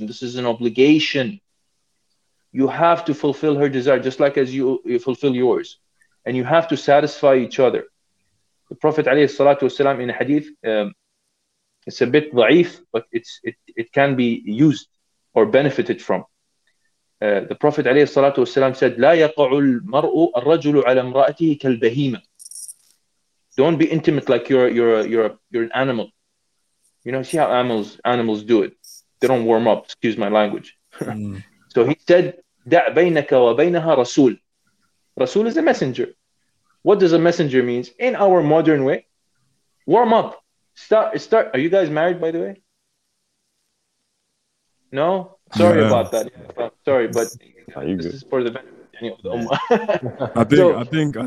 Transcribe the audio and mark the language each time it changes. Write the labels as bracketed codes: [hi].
[en] And this is an obligation. You have to fulfill her desire, just like as you fulfill yours. And you have to satisfy each other. The Prophet [ar] عليه الصلاة والسلام [en] in a hadith, it's a bit ضعيف, but it can be used or benefited from. The Prophet [ar] عليه الصلاة والسلام [en] said, [ar] لا يقع المرء الرجل على امرأته كالبهيمة. [en] Don't be intimate like you're an animal. You know, see how animals do it. They don't warm up, excuse my language. So he said, [ar] دع بينك وبينها رسول. [en] رسول is a messenger. What does a messenger mean? In our modern way, warm up. Start. Are you guys married, by the way? No? Sorry about that. Sorry, but this is for the benefit of the Ummah.